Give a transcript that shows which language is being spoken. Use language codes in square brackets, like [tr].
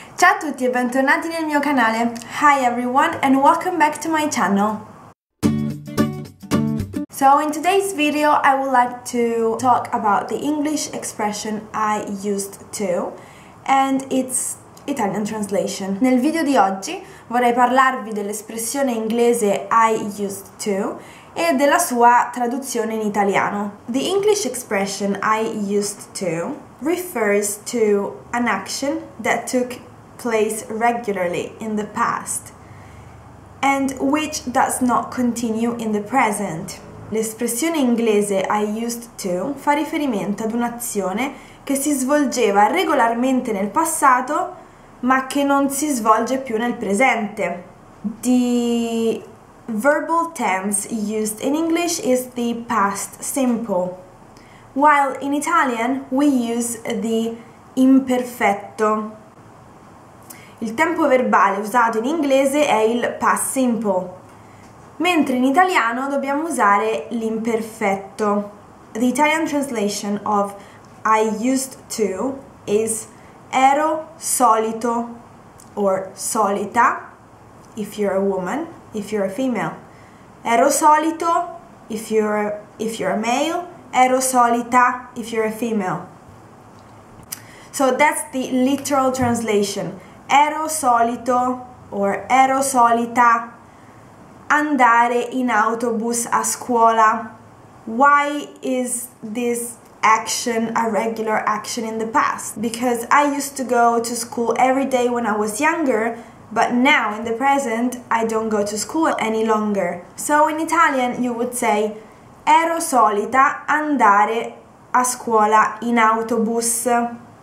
[it] Ciao a tutti e bentornati nel mio canale. [en] Hi everyone and welcome back to my channel. So in today's video I would like to talk about the English expression I used to and its Italian translation. [it] Nel video di oggi vorrei parlarvi dell'espressione inglese I used to e della sua traduzione in italiano. [en] The English expression I used to refers to an action that took place regularly in the past and which does not continue in the present. [it] L'espressione inglese I used to fa riferimento ad un'azione che si svolgeva regolarmente nel passato ma che non si svolge più nel presente. [en] The verbal tense used in English is the past simple, while in Italian we use the imperfetto. [it] Il tempo verbale usato in inglese è il past simple, mentre in italiano dobbiamo usare l'imperfetto. [en] The Italian translation of I used to is ero solito, or solita, if you're a woman, if you're a female. Ero solito, if you're a male. Ero solita, if you're a female. So that's the literal translation. [it] Ero solito, or ero solita, andare in autobus a scuola. [en] Why is this action a regular action in the past? Because I used to go to school every day when I was younger, but now in the present I don't go to school any longer. So in Italian you would say [it] ero solita andare a scuola in autobus.